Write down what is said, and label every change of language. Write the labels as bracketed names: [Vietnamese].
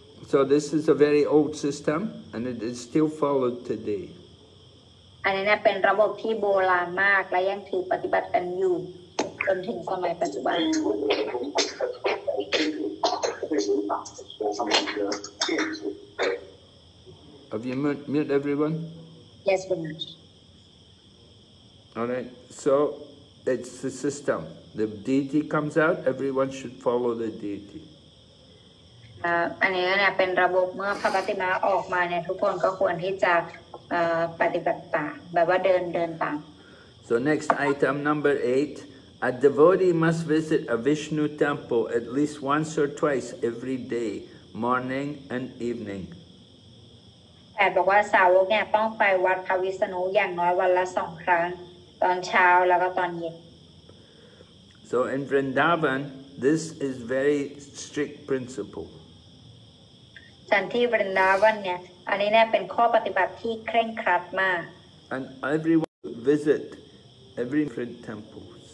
[English] So this is a very old system and it is still followed today. [Thai] อันนี้เนี่ยเป็นระบบที่โบราณมากและยังถือปฏิบัติกันอยู่จนถึงสมัยปัจจุ บั น [English] Have you met everyone? Yes, Vinasa. All right. So it's the system. The deity comes out. Everyone should follow the deity. [Thai] อันนี้เนี่ยเป็นระบบเมื่อพระปฏิมาออกมาเนี่ยทุกคนก็ควรที่จะปฏิบัติตามแบบว่าเดินตาม [English] So next item number 8. A devotee must visit a Vishnu temple at least once or twice every day, morning and evening. [Thai] แต่บอกว่าสาวกเนี่ยต้องไปวัดพระวิษณุอย่างน้อยวันละสองครั้งตอนเช้าแล้วก็ตอนเย็น [English] So in Vrindavan, this is very strict principle. [Thai] ฉันที่ Vrindavan เนี่ยอันนี้เนี่ยเป็นข้อปฏิบัติที่เคร่งครัดมาก [English] And everyone visit every different temple.